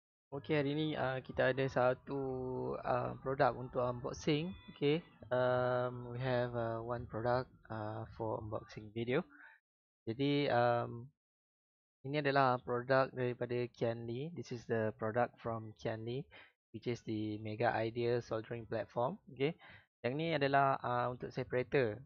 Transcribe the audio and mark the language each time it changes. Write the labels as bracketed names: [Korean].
[Malay] Okay, hari ni kita ada satu produk untuk unboxing. [English] Okay, we have one product for unboxing video. [Malay] Jadi ini adalah produk daripada QianLi. [English] This is the product from QianLi, which is the Mega Idea Soldering Platform. [Malay] Okay, yang ni adalah untuk separator.